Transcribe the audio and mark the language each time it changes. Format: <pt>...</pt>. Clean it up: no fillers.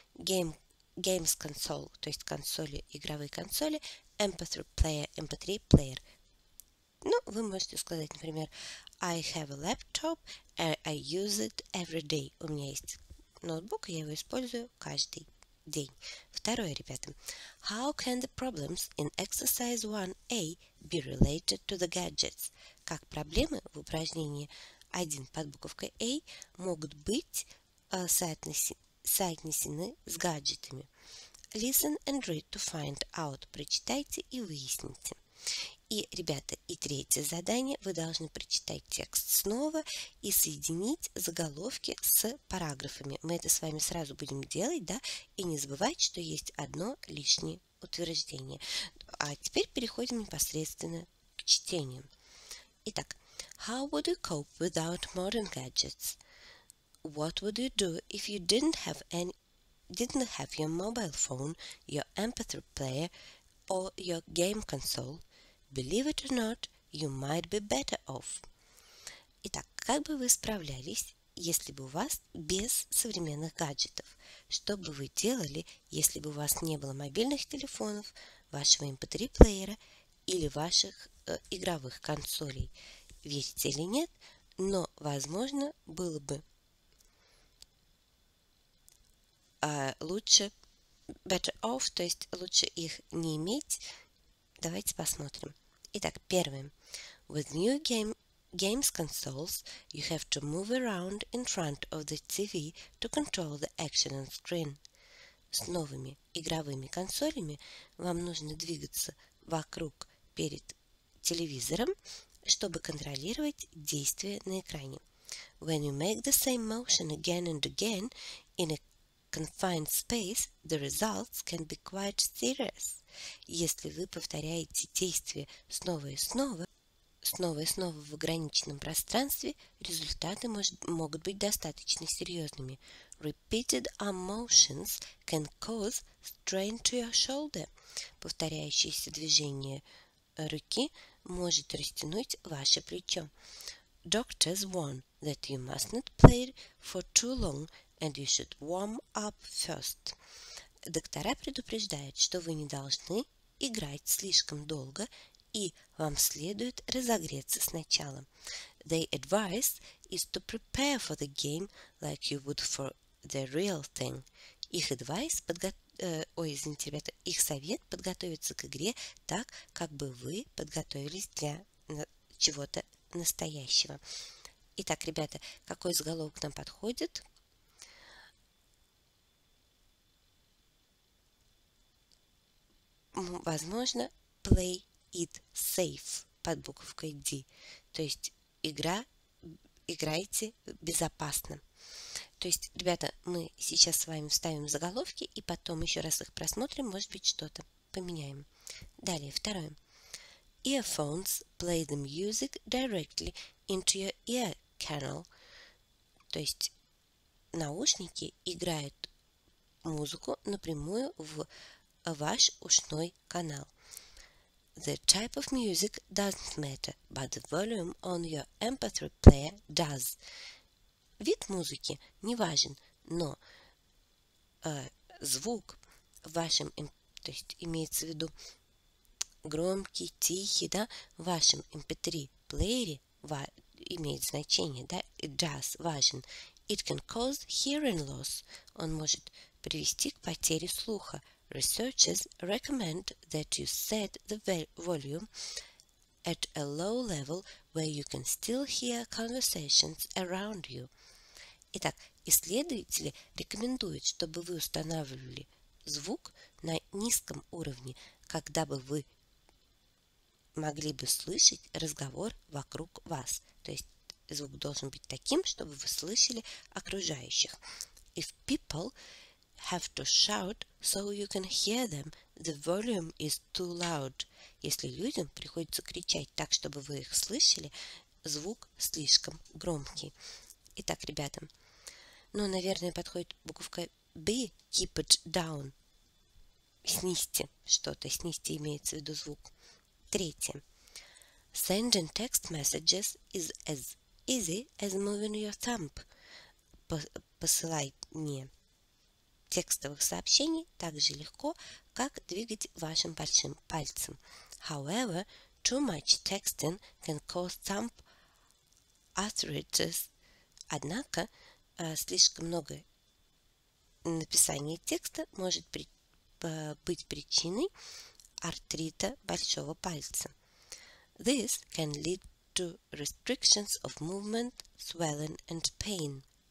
<en>Games console.</en> <ru>То есть, консоли, игровые консоли.</ru> <en>MP3 player.</en> <ru>Вы можете сказать, например,</ru> <en>I have a laptop, I use it every day.</en> <ru>У меня есть ноутбук, я его использую каждый день. Второе, ребята.</ru> <en>How can the problems in exercise 1A be related to the gadgets?</en> <ru>Как проблемы в упражнении 1 под буковкой A могут быть соотнесены с гаджетами?</ru> <en>Listen and read to find out.</en> <ru>Прочитайте и выясните. И, ребята, и третье задание. Вы должны прочитать текст снова и соединить заголовки с параграфами. Мы это с вами сразу будем делать, да? И не забывать, что есть одно лишнее утверждение. А теперь переходим непосредственно к чтению. Итак,</ru> <en>how would you cope without modern gadgets? What would you do if you didn't have your mobile phone, your MP3 player, or your game console? Believe it or not, you might be better off.</en> <ru>Итак, как бы вы справлялись, если бы у вас без современных гаджетов? Что бы вы делали, если бы у вас не было мобильных телефонов, вашего MP3 плеера или ваших игровых консолей? Верите или нет, но возможно было бы лучше,</ru> <en>better off,</en> <ru>то есть лучше их не иметь. Давайте посмотрим. Итак, первое.</ru> <en>With new games consoles, you have to move around in front of the TV to control the action on screen.</en> <ru>С новыми игровыми консолями вам нужно двигаться вокруг перед телевизором, чтобы контролировать действия на экране.</ru> <en>When you make the same motion again and again in a confined space, the results can be quite serious.</en> <ru>Если вы повторяете действия снова и снова в ограниченном пространстве, результаты могут быть достаточно серьезными.</ru> <en>Repeated arm motions can cause strain to your shoulder.</en> <ru>Повторяющиеся движения руки может растянуть ваше плечо.</ru> <en>Doctors warn that you must not play for too long and you should warm up first.</en> <ru>Доктора предупреждают, что вы не должны играть слишком долго и вам следует разогреться сначала.</ru> <en>Their advice is to prepare for the game like you would for the real thing.</en> <ru>Их совет подготовиться к игре так, как бы вы подготовились для чего-то настоящего. Итак, ребята, какой заголовок нам подходит? Возможно,</ru> <en>play it safe</en> <ru>под буковкой D. То есть играйте безопасно. То есть, ребята, мы сейчас с вами вставим заголовки и потом еще раз их просмотрим, может быть, что-то поменяем. Далее, второе.</ru> <en>Earphones play the music directly into your ear canal.</en> <ru>То есть наушники играют музыку напрямую в ваш ушной канал.</ru> <en>The type of music doesn't matter, but the volume on your MP3 player does.</en> <ru>Вид музыки не важен, но звук в вашем, то есть имеется в виду громкий, тихий, да, в вашем MP3 плеере имеет значение, да,</ru> <en>it does,</en> <ru>важен.</ru> <en>It can cause hearing loss.</en> <ru>Он может привести к потере слуха.</ru> <en>Researchers recommend that you set the volume at a low level where you can still hear conversations around you.</en> <ru>Итак, исследователи рекомендуют, чтобы вы устанавливали звук на низком уровне, когда бы вы могли бы слышать разговор вокруг вас. То есть звук должен быть таким, чтобы вы слышали окружающих.</ru> <en>If people have to shout so you can hear them, the volume is too loud.</en> <ru>Если людям приходится кричать так, чтобы вы их слышали, звук слишком громкий. Итак, ребята, ну, наверное, подходит буковка B,</ru> <en>keep it down,</en> <ru>снизьте что-то, снизьте имеется в виду звук. Третье.</ru> <en>Sending text messages is as easy as moving your thumb.</en> <ru>Посылание текстовых сообщений так же легко, как двигать вашим большим пальцем.</ru> <en>However, too much texting can cause thumb arthritis.</en> <ru>Однако, слишком много написания текста может быть причиной артрита большого пальца.</ru> <en>This can lead to restrictions of movement, swelling and pain.</en>